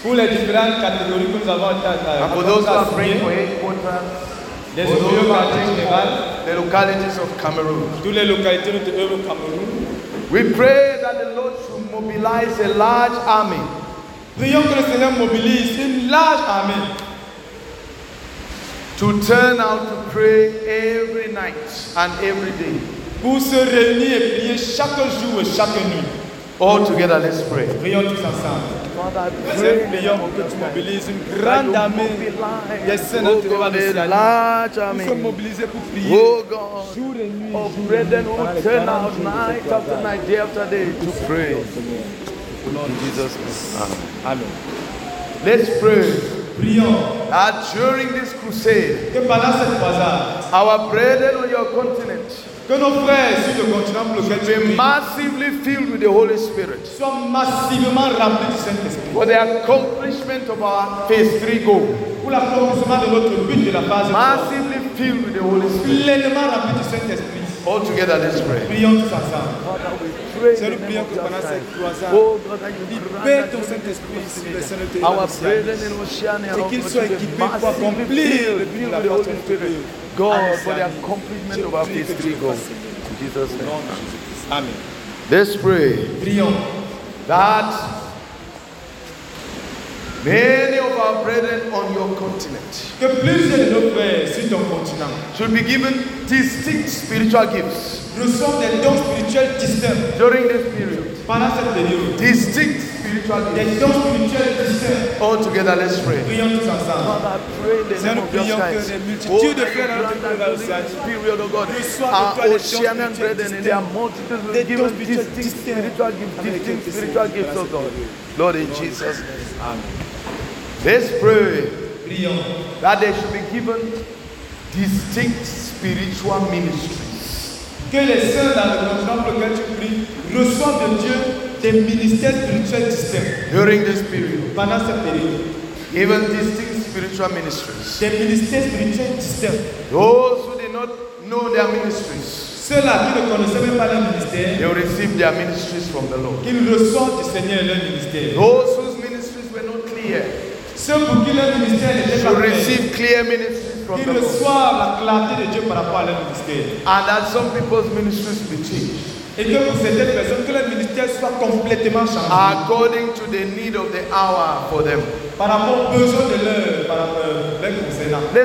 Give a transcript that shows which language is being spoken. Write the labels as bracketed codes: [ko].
[fr] Pour les différentes catégories que nous avons atteintes. [en] And for those who are praying for headquarters. [fr] Les bureaux [en] cathédrales. The localities of Cameroon. [fr] Toutes les localités de l'Euro Cameroun. [en] We pray that the Lord should mobilize a large army. [fr] Prions que le Seigneur mobilise une large armée. [en] To turn out to pray every night and every day. [fr] Pour se réunir et prier chaque jour et chaque nuit. [en] All together, let's pray. [fr] Prions tous ensemble. Prions pour que tu mobilises une grande armée. Yes, Seigneur, tu vas [en] large army. [fr] Nous sommes mobilisés pour prier. [en] Oh God. [fr] Jour et nuit. [en] Oh, brethren, who turn out night after night, day after day, to pray. In Jesus Christ. Amen. Let's pray. [fr] Prions. [en] That during this crusade, our brethren on your continent, [fr] que nos frères sur le continent pour lequel tu es [en] massively filled with the Holy Spirit. [fr] Soient massivement remplis du Saint-Esprit. [en] For the accomplishment of our phase 3 goal. [fr] Pour l'accomplissement de notre but de la phase 3. [en] Massively filled with the Holy Spirit. [fr] Pleinement remplis du Saint-Esprit. [en] All together, let's pray. [fr] Prions tous ensemble. Seigneur, prions que pendant cette croisade, libère ton Saint-Esprit, s'il te plaît, Seigneur, te remercie. Et qu'il soit équipé pour accomplir le but de la phase 3. [en] God, for the accomplishment of our ministry, God. In Jesus' name. Amen. Let's pray. [fr] Prions. [en] That many of our brethren on your continent, [fr] que plus de nos frères sur ton continent, [en] should be given distinct spiritual gifts. [fr] Reçoivent des dons spirituels distincts. [en] During this period. [fr] Pendant cette période. [en] Distinct spiritual gifts. [fr] Des dons spirituels distincts. [en] All together, let's pray. [fr] Prions tous ensemble. Seigneur, nous prions que des multitudes de frères dans notre [en] période, oh God, [fr] reçoivent des dons spirituels distincts. Des dons spirituels distincts. [en] Distinct spiritual gifts, oh God. Lord, in Jesus' name. Let's pray. [fr] Prions. [en] That they should be given distinct spiritual ministries. [fr] Que les saints dans le continent pour lequel tu pries reçoivent de Dieu des ministères spirituels distincts. [en] During this period. [fr] Pendant cette période. [en] Given distinct spiritual ministries. [fr] Des ministères spirituels distincts. [en] Those who did not know their ministries. [fr] Ceux-là qui ne connaissaient même pas leur ministère. [en] They will receive their ministries from the Lord. [fr] Qu'ils reçoivent du Seigneur leur ministère. [en] Those whose ministries were not clear. [fr] Ceux pour qui leur ministère n'était pas [en] clair. Receive clear ministries from the Lord. [fr] Qu'ils reçoivent la clarté de Dieu par rapport à leur ministère. [en] And that some people's ministries be changed. [fr] Et que pour certaines personnes que leur ministère soit complètement changé. [en] According to the need of the hour for them. [fr] Par rapport aux besoins de l'heure, par rapport à leur concernant.